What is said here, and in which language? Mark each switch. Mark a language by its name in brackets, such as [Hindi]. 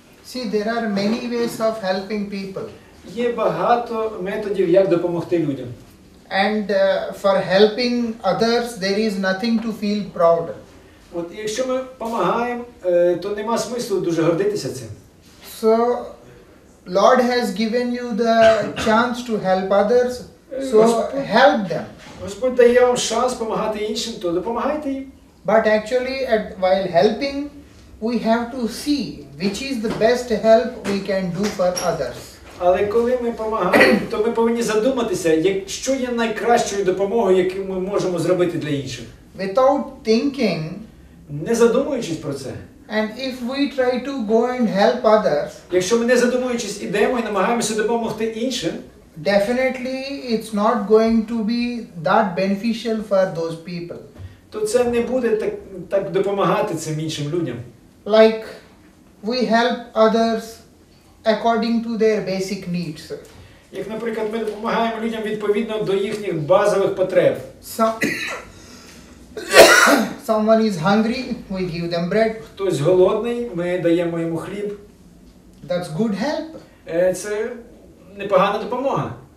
[English] See, there are many ways of helping people. [Ukrainian] Є багато методів, як допомогти людям. [English] And for helping others, there is nothing to feel proud. [Ukrainian] От якщо ми допомагаємо, то нема смислу дуже гордитися цим. [English] So, Lord has given you the chance to help others, so help them. [Ukrainian] Господь дає вам шанс допомагати іншим, то допомагайте їм. [English] But actually, while helping, we have to see which is the best help we can do for others. [Ukrainian] Але коли ми допомагаємо, то ми повинні задуматися, що є найкращою допомогою, яку ми можемо зробити для інших. [English] Without thinking, [Ukrainian] не задумуючись про це. [English] And if we try to go and help others, [Ukrainian] якщо ми не задумуючись ідемо і намагаємося допомогти іншим, [English] definitely it's not going to be that beneficial for those people. [Ukrainian] То це не буде так допомагати цим іншим людям. [English] Like we help others according to their basic needs. [Ukrainian] Як, наприклад, ми допомагаємо людям відповідно до їхніх базових потреб. [English] Someone is hungry, we give them bread. [Ukrainian] Хтось голодний, ми даємо йому хліб. [English] That's good help. [Ukrainian] Це непогана допомога.